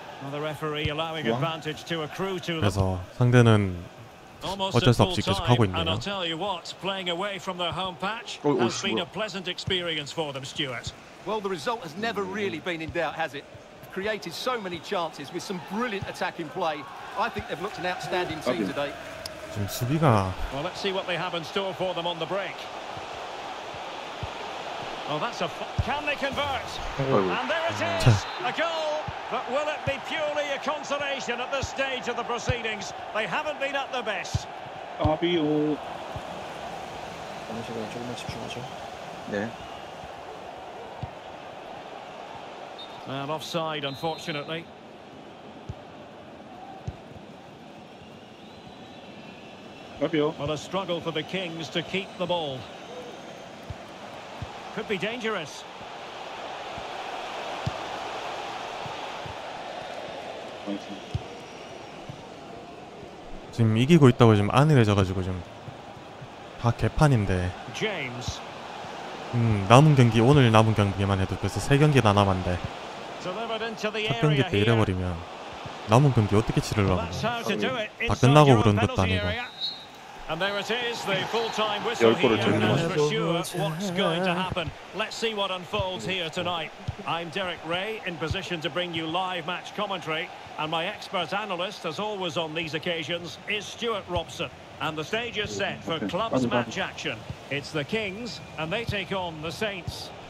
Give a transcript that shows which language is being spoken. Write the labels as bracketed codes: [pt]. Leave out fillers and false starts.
[en] The referee allowing advantage to accrue to them. [ko] 그래서 상대는 어쩔 수 없이 계속 하고 있네요. [en] I'll tell you what, playing away from their home patch has been a pleasant experience for them, Stuart. Well, the result has never really been in doubt, has it? Created so many chances with some brilliant attacking play. I think they've looked an outstanding team today. [ko] 지금 수비가. [en] Well, let's see what they have in store for them on the break. Oh, that's a. Can they convert? And there it is, a goal. But will it be purely a consolation at this stage of the proceedings? They haven't been at their best. RBO. [ko] 어느 시간 조금만 집중하죠. 네. [en] And offside, unfortunately. Well, a struggle for the Kings to keep the ball. Could be dangerous. James. [ko] 지금 이기고 있다고 지금 안을 해져가지고 지금 다 개판인데. [en] James. [ko] 남은 경기 오늘 남은 경기만 해도 벌써 세 경기나 남았는데. 첫 경기 때 이래버리면 남은 경기 어떻게 치르려고? 다 끝나고 그런 것도 아니고. [en] And there it is, the full-time whistle here. Who knows for sure what's going to happen? Let's see what unfolds here tonight. I'm Derek Ray, in position to bring you live match commentary. And my expert analyst, as always on these occasions, is Stuart Robson. And the stage is set for clubs match action. It's the Kings, and they take on the Saints.